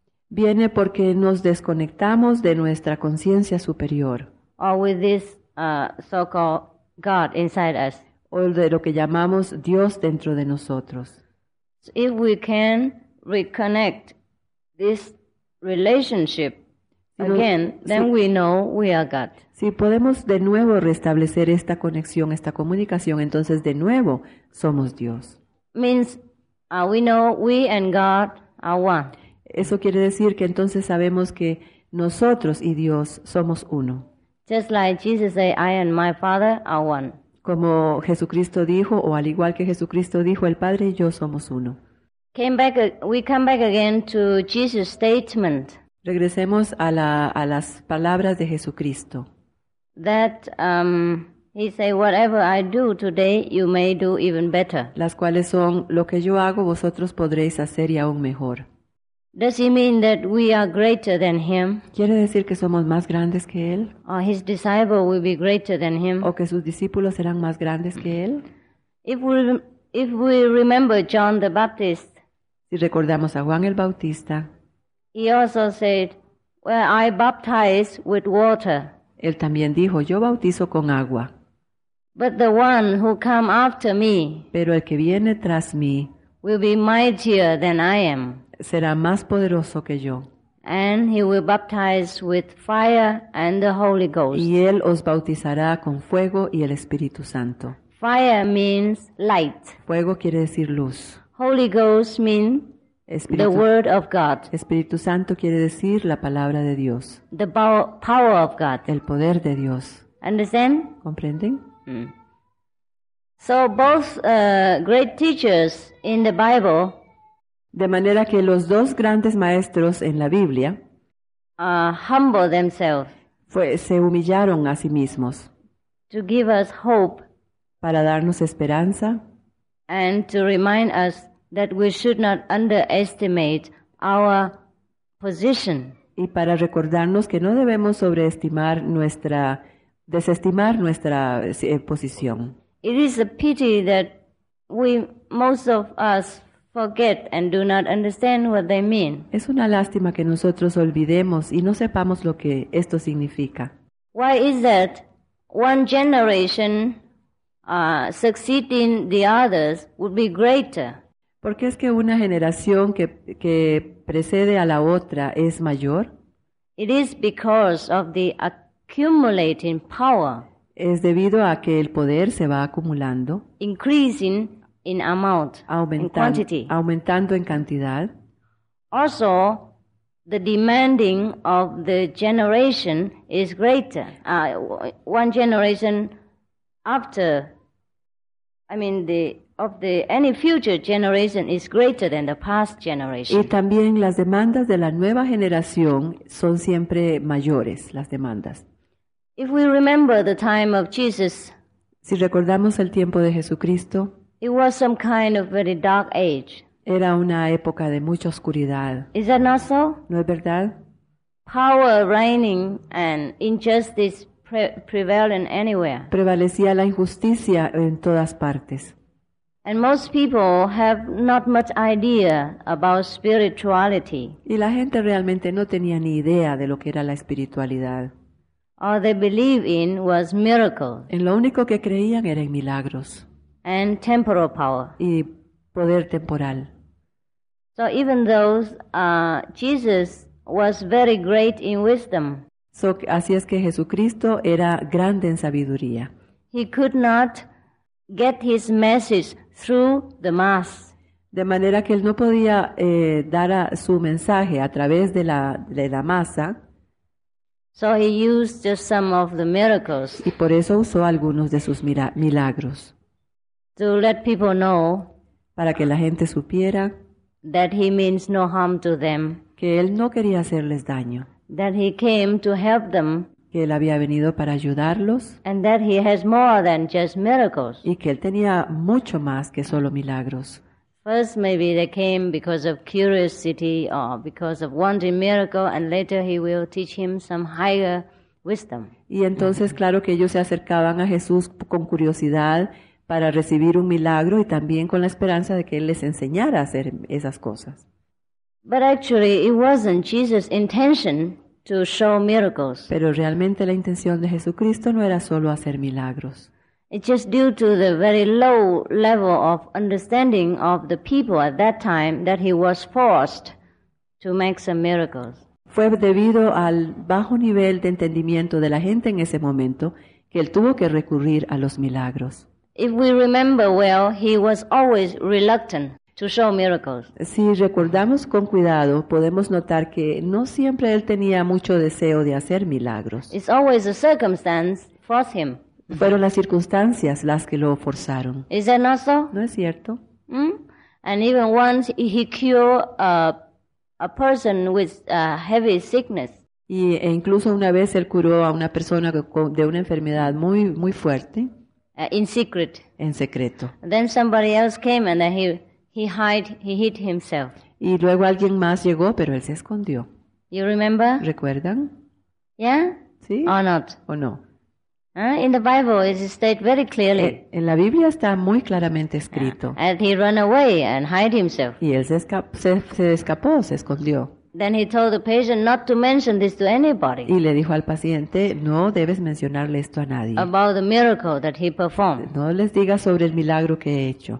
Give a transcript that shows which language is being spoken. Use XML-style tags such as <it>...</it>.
<es>Viene porque nos desconectamos de nuestra conciencia superior.</es> <en>Or with this so-called God inside us.</en> <es>O de lo que llamamos Dios dentro de nosotros.</es> <en>So if we can reconnect this relationship again, then we know we are God.</en> <es>Si podemos de nuevo restablecer esta conexión, esta comunicación, entonces de nuevo somos Dios.</es> <en>Means we know we and God are one.</en> <es>Eso quiere decir que entonces sabemos que nosotros y Dios somos uno.</es> <en>Just like Jesus said, I and my Father are one.</en> <es>Como Jesucristo dijo, o al igual que Jesucristo dijo, el Padre y yo somos uno.</es> <en>We come back again to Jesus' statement.</en> <es>Regresemos a las palabras de Jesucristo.</es> <en>That he said, whatever I do today, you may do even better.</en> <es>Las cuales son, lo que yo hago, vosotros podréis hacer y aún mejor.</es> <en>Does he mean that we are greater than him?</en> <es>¿Quiere decir que somos más grandes que él?</es> <en>Or his disciple will be greater than him?</en> <es>¿O que sus discípulos serán más grandes que él?</es> <en>If we remember John the Baptist,</en> <es>si recordamos a Juan el Bautista,</es> <en>he also said, well, I baptize with water.</en> <es>Él también dijo, yo bautizo con agua.</es> <en>But the one who come after me,</en> <es>pero el que viene tras mí,</es> <en>will be mightier than I am.</en> <es>Será más poderoso que yo.</es> <en>And he will baptize with fire and the Holy Ghost.</en> <es>Y él os bautizará con fuego y el Espíritu Santo.</es> <en>Fire means light.</en> <es>Fuego quiere decir luz.</es> <en>Holy Ghost means Espíritu, the word of God.</en> <es>Espíritu Santo quiere decir la palabra de Dios.</es> <en>The power of God.</en> <es>El poder de Dios.</es> <en>Understand?</en> <es>¿Comprenden?</es> <en>So both great teachers in the Bible.</en> <es>De manera que los dos grandes maestros en la Biblia</es> <en>humble themselves.</en> <es>Se humillaron a sí mismos.</es> <en>To give us hope.</en> <es>Para darnos esperanza.</es> <en>And to remind us that we should not underestimate our position.</en> <es>Y para recordarnos que no debemos sobreestimar nuestra, desestimar nuestra posición.</es> <en>It is a pity that we most of us forget and do not understand what they mean.</en> <es>Es una lástima que nosotros olvidemos y no sepamos lo que esto significa.</es> <en>Why is that one generation succeeding the others would be greater?</en> <es>¿Por qué es que una generación que precede a la otra es mayor?</es> <en>It is because of the accumulating power.</en> <es>Es debido a que el poder se va acumulando.</es> <en>Increasing in amount,</en> <es>aumentando,</es> <en>in quantity.</en> <es>Aumentando en cantidad.</es> <en>Also, the demanding of the generation is greater. One generation after, any future generation is greater than the past generation.</en> <es>Y también las demandas de la nueva generación son siempre mayores, las demandas.</es> <en>If we remember the time of Jesus,</en> <es>si recordamos el tiempo de Jesucristo,</es> <en>it was some kind of very dark age.</en> <es>Era una época de mucha oscuridad.</es> <en>Is that not so?</en> <es>¿No es verdad?</es> <en>Power reigning and injustice prevailing anywhere.</en> <es>Prevalecía la injusticia en todas partes.</es> <en>And most people have not much idea about spirituality.</en> <es>Y la gente realmente no tenía ni idea de lo que era la espiritualidad.</es> <en>All they believe in was miracles.</en> <es>En lo único que creían era en milagros.</es> <en>And temporal power.</en> <es>Y poder temporal.</es> <en>So even though Jesus was very great in wisdom.</en> <es>So así es que Jesucristo era grande en sabiduría.</es> <en>He could not get his message through the mass.</en> <es>De manera que él no podía dar su mensaje a través de la masa.</es> <en>So he used just some of the miracles.</en> <es>Y por eso usó algunos de sus milagros.</es> <en>To let people know.</en> <es>Para que la gente supiera.</es> <en>That he means no harm to them.</en> <es>Que él no quería hacerles daño.</es> <en>That he came to help them.</en> <es>Que él había venido para ayudarlos.</es> <en>And that he has more than just miracles.</en> <es>Y que él tenía mucho más que solo milagros.</es> <en>First, maybe they came because of curiosity or because of wanting miracle, and later he will teach him some higher wisdom.</en> <es>Y entonces, claro que ellos se acercaban a Jesús con curiosidad para recibir un milagro y también con la esperanza de que él les enseñara a hacer esas cosas.</es> <en>But actually, it wasn't Jesus' intention to show miracles.</en> <es>Pero realmente la intención de Jesucristo no era solo hacer milagros.</es> <en>It's just due to the very low level of understanding of the people at that time that he was forced to make some miracles.</en> <es>Fue debido al bajo nivel de entendimiento de la gente en ese momento que él tuvo que recurrir a los milagros.</es> <en>If we remember well, he was always reluctant to show miracles.</en> <es>Si recordamos con cuidado, podemos notar que no siempre él tenía mucho deseo de hacer milagros.</es> <en>It's always a circumstance forced him.</en> <es>Fueron las circunstancias las que lo forzaron.</es> <en>Is that not so?</en> <es>¿No es cierto?</es> <en>And even once he cured a person with a heavy sickness.</en> <es>E incluso una vez él curó a una persona de una enfermedad muy muy fuerte.</es> <en>In secret.</en> <es>En secreto.</es> <en>Then somebody else came and he hid himself.</en> <es>Y luego alguien más llegó, pero él se escondió.</es> <en>You remember?</en> <es>¿Recuerdan?</es> <en>Yeah?</en> <es>¿Sí?</es> <en>Or not?</en> <es>¿O no?</es> <en>In the Bible, it is stated very clearly.</en> <es>En la Biblia está muy claramente escrito.</es> <en>And he ran away and hid himself.</en> <es>Y él se escapó, se escondió.</es> <en>Then he told the patient not to mention this to anybody.</en> <es>Y le dijo al paciente, no debes mencionarle esto a nadie.</es> <en>About the miracle that he performed.</en> <es>No les digas sobre el milagro que he hecho.</es>